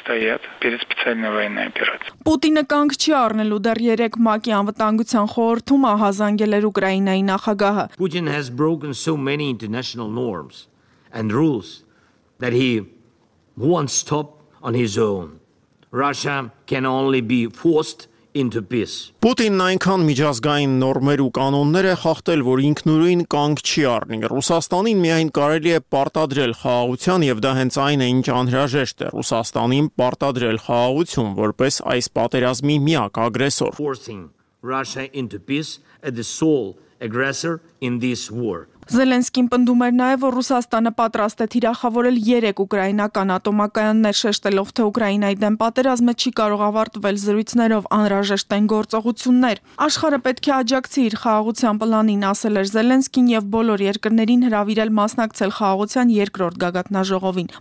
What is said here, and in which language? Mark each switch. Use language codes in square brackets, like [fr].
[hy] Պուտինը կանգ չի առնելու դեռ 3 ՄԱԿ-ի անվտանգության խորհրդում ահազանգել էր Ուկրաինայի նախագահը։ [en] Putin has broken so many international norms and rules that he won't stop on his own. Russia can only be forced into peace. [hy] Պուտինն այնքան միջազգային նորմեր ու կանոններ է խախտել, որ ինքնուրույն կանգ չի առնի։ Ռուսաստանին միայն կարելի է պարտադրել խաղաղություն, եւ դա հենց այն է, ինչ անհրաժեշտ է Ռուսաստանին պարտադրել խաղաղություն, որպես այս պատերազմի միակ ագրեսոր։ [en] Forcing Russia into peace is the sole aggressor in this war. [hy] Զելենսկին պնդում էր նաև, որ Ռուսաստանը պատրաստ է թիրախավորել 3 ուկրաինական ատոմակայաններ, շեշտելով, թե Ուկրաինայի դեմ պատերազմը չի կարող ավարտվել զրույցներով, անհրաժեշտ են գործողություններ։ Աշխարհը պետք է աջակցի իր խաղաղության պլանին, ասել էր Զելենսկին, եւ բոլոր երկրներին հրավիրել մասնակցել խաղաղության երկրորդ գագաթնաժողովին։